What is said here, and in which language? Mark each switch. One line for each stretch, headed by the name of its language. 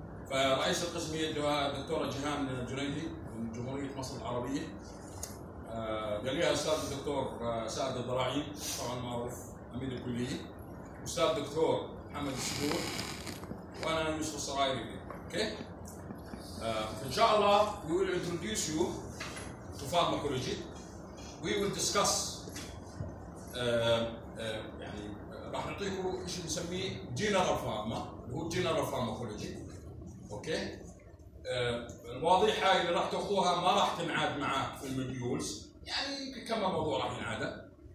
Arabic: فرئيس القسم هي الدكتورة جيهان جنيدي من جمهورية مصر العربية. قال لي أستاذ الدكتور سعد الضراعي طبعا معروف عميد الكلية، أستاذ الدكتور محمد السبور، وأنا يوسف الصرايري.
English: Okay, إن شاء الله we will introduce you to pharmacology. We will discuss
Arabic: يعني راح نعطيكم ايش نسميه جينرال فارما، هو جينرال فارماكولوجي. اوكي، المواضيع هاي اللي راح تاخذوها ما راح تنعاد معك في المديولز، يعني كم موضوع راح ينعاد.